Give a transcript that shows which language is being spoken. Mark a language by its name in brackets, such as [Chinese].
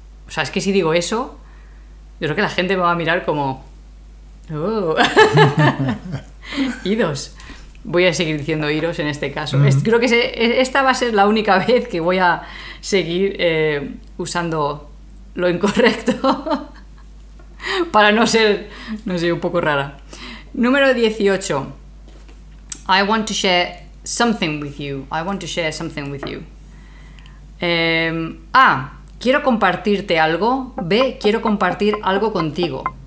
[Spanish] O sea, es que si digo eso, yo creo que la gente me va a mirar como... ¡Oh! Idos. Voy a seguir diciendo iros en este caso. Uh-huh. Creo que esta va a ser la única vez que voy a seguir usando lo incorrecto para no ser, no sé, un poco rara. Número 18. [English] I want to share something with you. I want to share something with you. [Spanish] A. Quiero compartirte algo. B. Quiero compartir algo contigo.